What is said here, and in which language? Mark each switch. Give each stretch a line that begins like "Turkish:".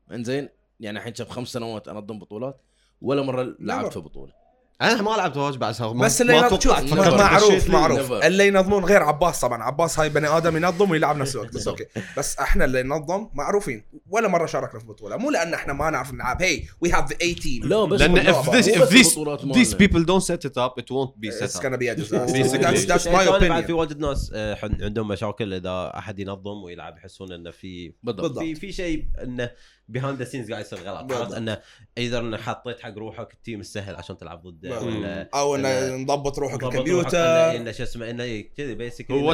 Arabic: انزين يعني الحين شب 5 سنوات انظم بطولات، ولا مره لعبت في بطوله. انا ما لعبت واجب بعد صار بس اللي ينظمون معروف اللي ينظمون غير عباس. طبعا عباس هاي بني ادم ينظم ويلعب نفس الوقت بس اوكي. بس احنا اللي ننظم معروفين، ولا مره شاركنا في بطوله. مو لان احنا ما نعرف نلعب.
English: Hey we have the A team.
Arabic: لا بس لان
English: if these people don't set it up it won't be set up. It's gonna be a disaster. That's my opinion.
Arabic: في واجد ناس عندهم مشاكل اذا احد ينظم ويلعب، يحسون انه في بالضبط في شيء انه
English: behind the scenes
Arabic: قاعد يصير غلط. عرفت انه ايذر انه حطيت حق روحك التيم السهل عشان تلعب ضد او انه نضبط روحك الكمبيوتر انه شو اسمه انه كذي بيسكلي.